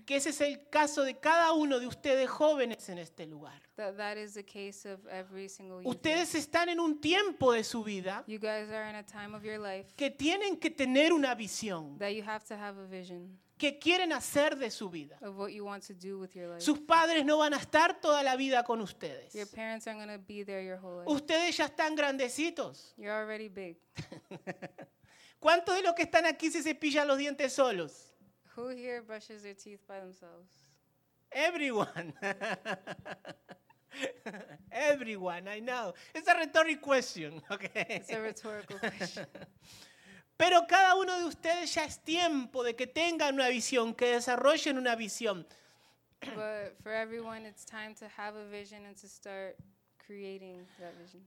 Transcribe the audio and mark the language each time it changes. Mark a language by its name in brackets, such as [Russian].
[Spanish] que ese es el caso de cada uno de ustedes jóvenes en este lugar. [English] That is the case of every single youth. [Spanish] Ustedes están en un tiempo de su vida, [English] you guys are in a time of your life, [Spanish] que tienen que tener una visión, [English] that you have to have a vision, [Spanish] que quieren hacer de su vida. [English] Of what you want to do with your life. [Spanish] Sus padres no van a estar toda la vida con ustedes. [English] Your parents aren't going to be there your whole life. [Spanish] Ustedes ya están grandecitos. [English] You're already big. [Spanish] ¿Cuántos de los que están aquí se cepillan los dientes solos? [English] Who here brushes their teeth by themselves? Everyone. Everyone, I know. It's a rhetorical question, okay? It's a rhetorical question. [Spanish] Pero cada uno de ustedes ya es tiempo de que tengan una visión, que desarrollen una visión. [English] But for everyone, it's time to have a vision and to start creating that vision.